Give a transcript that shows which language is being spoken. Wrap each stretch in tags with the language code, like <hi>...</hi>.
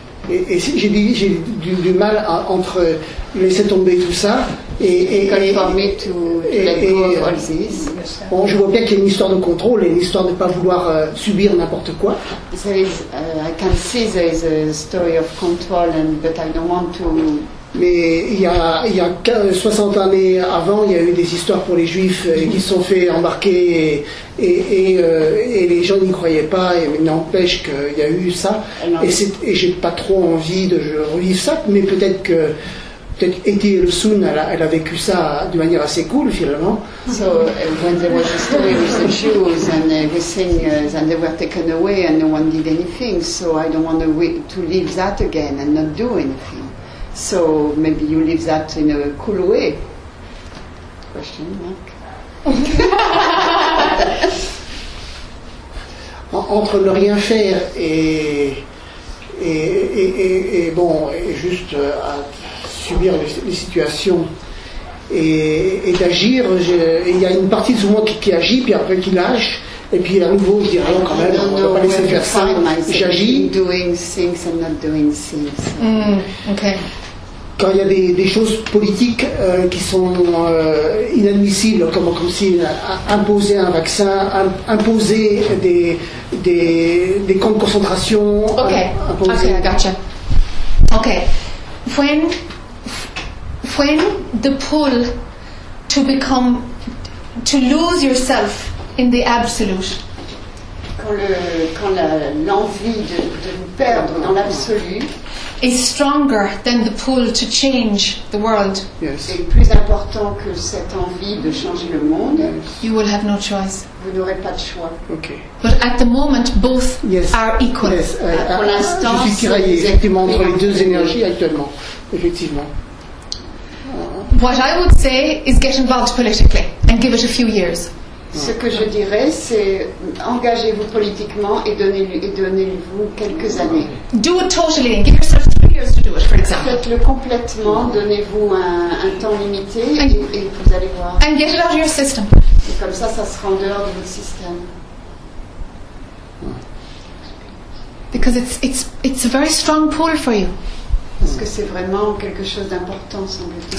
<fr>Et j'ai du mal à, entre laisser tomber tout ça et je vois bien qu'il y a une histoire de contrôle et une histoire de ne pas vouloir subir n'importe quoi. Mais il y a 60 années avant, il y a eu des histoires pour les juifs qui se sont fait embarquer et les gens n'y croyaient pas, et n'empêche qu'il y a eu ça. Et j'ai pas trop envie de revivre ça, mais peut-être Eti Elsoun, elle a vécu ça de manière assez cool finalement.</fr> <en>So, when there was a story with the Jews and everything, and they were taken away and no one did anything, so I don't want to leave that again and not do anything. So maybe you leave that in a cool way. Question mark.</en> <fr>Entre ne rien faire et juste à subir les situations et d'agir, il y a une partie de moi qui agit puis après qui lâche. Et puis à nouveau, je dirais, non, quand même, on ne va pas laisser faire ça. J'agis.</fr> <en>Doing things and not doing things. Okay.</en> <fr>Quand il y a des choses politiques qui sont inadmissibles, comme si imposer un vaccin, imposer des camps de concentration.</fr> <en>Okay, I gotcha. Okay. When the pull to become, to lose yourself in the absolute.</en> <fr>Quand l'envie de nous perdre dans l'absolu.</fr> <en>Is stronger than the pull to change the world. Yes.</en> <fr>C'est plus important que cette envie de changer le monde.</fr> <en>Yes. You will have no choice.</en> <fr>Vous n'aurez pas de choix.</fr> <en>Okay. But at the moment, both yes. are equal. Yes.</en> <fr>Pour l'instant, je suis tiraillé effectivement entre les deux énergies actuellement. Effectivement.</fr> <en>What I would say is get involved politically and give it a few years.</en> <fr>Ce que je dirais, c'est engagez-vous politiquement et donnez-vous quelques années.</fr> <en>Do it totally and give yourself 3 years to do it, for example.</en> <fr>Faites-le complètement, donnez-vous un temps limité et vous allez voir.</fr> <en>And get it out of your system.</en> <fr>Et comme ça, ça sera en dehors de votre système.</fr> <en>Because it's a very strong pull for you.</en> <fr>Parce que c'est vraiment quelque chose d'important, semble-t-il.</fr>